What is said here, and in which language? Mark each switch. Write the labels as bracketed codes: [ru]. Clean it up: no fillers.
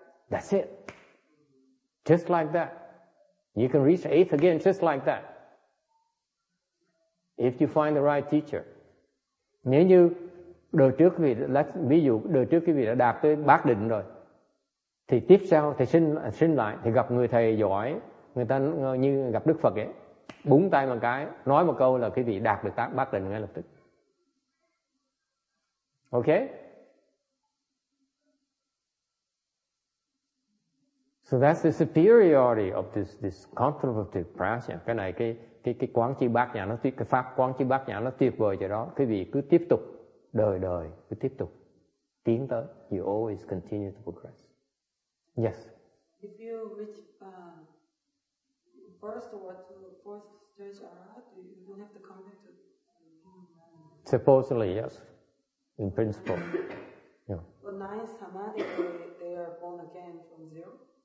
[en] That's it. Just like that. You can reach 8th again just like that. If you find the right teacher. [vi] Nếu như đời trước quý vị, ví dụ đời trước quý vị đã đạt tới bát định rồi, thì tiếp sau thì sinh lại, thì gặp người thầy giỏi, người ta như gặp Đức Phật ấy, búng tay một cái, nói một câu là quý vị đạt được bát định ngay lập tức. [en] Ok? So that's the superiority of this contemplative prajna. [vi] Cái này cái quán chi bát nhã nó tuyệt, cái pháp quán chi bát nhã nó tuyệt vời cho đó. Quý vị cứ tiếp tục đời đời cứ tiếp tục tiến tới. [en] You always continue to progress. Yes. If you reach first or to fourth stage arahat, you don't have to come back to. Supposedly, yes, in principle. Yeah. But nine samadhi, they are born again from zero.